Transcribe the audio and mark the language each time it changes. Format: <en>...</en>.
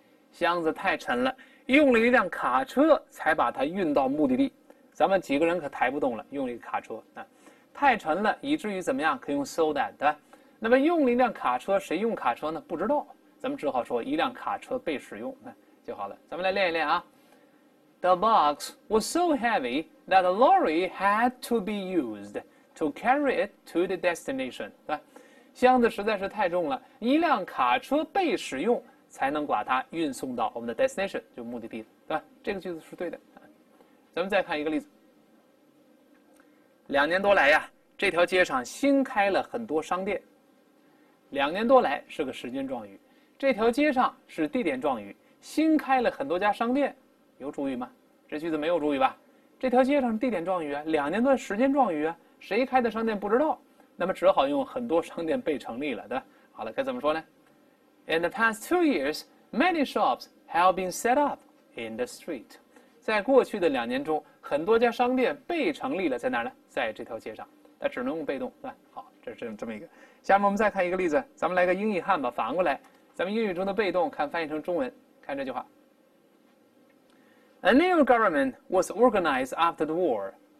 <zh>箱子太沉了，用了一辆卡车才把它运到目的地。咱们几个人可抬不动了，用了一个卡车啊，太沉了，以至于怎么样？可以用</zh> <en>so that，</en> <zh>对吧？那么用了一辆卡车，谁用卡车呢？不知道，咱们只好说一辆卡车被使用，啊，就好了。咱们来练一练啊。</zh> <en>The box was so heavy that a lorry had to be used to carry it to the destination，</en> <zh>对吧？箱子实在是太重了，一辆卡车被使用才能把它运送到我们的 destination，就目的地，对吧？这个句子是对的。咱们再看一个例子。 2年多来呀，这条街上新开了很多商店。 2年多来是个时间状语，这条街上是地点状语。新开了很多家商店，有主语吗？这句子没有主语吧？这条街上是地点状语啊，2年多时间状语啊，谁开的商店不知道？那么只好用很多商店被成立了的。好了，该怎么说呢？</zh> <en>In the past 2 years, many shops have been set up in the street。</en> <zh>在过去的2年中，很多家商店被成立了，在哪儿呢？在这条街上。那只能用被动，对吧？好，这是这么一个。下面我们再看一个例子，咱们来个英译汉吧，反过来，咱们英语中的被动，看翻译成中文，看这句话：</zh> <en>A new government was organized after the war。</en>